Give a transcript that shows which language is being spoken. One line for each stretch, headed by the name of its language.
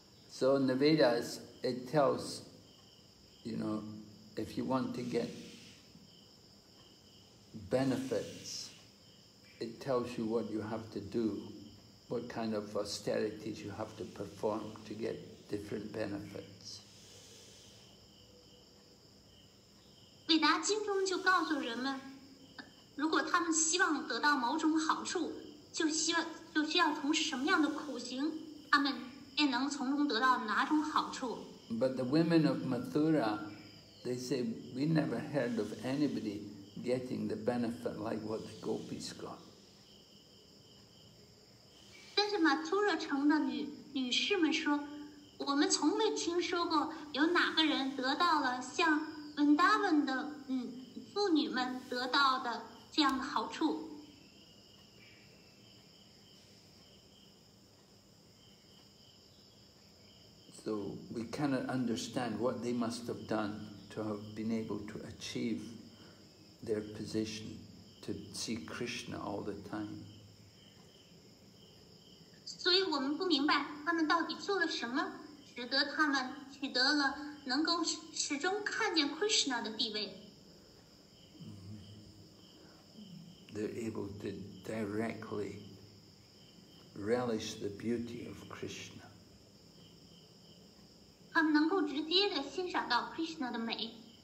English: So in the Vedas, it tells, you know, if you want to get benefits, it tells you what you have to do. What kind of austerities you have to perform to get different benefits.
Chinese: Veda 经中就告诉人们，如果他们希望得到某种好处，就需要从事什么样的苦行，他们便能从中得到哪种好处。
English: But the women of Mathura, they say, we never heard of anybody getting the benefit like what the gopis got.
Chinese: 但是马图热城的女士们说，我们从未听说过有哪个人得到了像温达文的妇女们得到的这样的好处。
English: So we cannot understand what they must have done to have been able to achieve their position to see Krishna all the time.
Chinese: 所以我们不明白他们到底做了什么，使得他们取得了能够始终看见 Krishna 的地位。
English: They're able to directly relish the beauty of Krishna.
Chinese: 他们能够直接的欣赏到 Krishna 的美。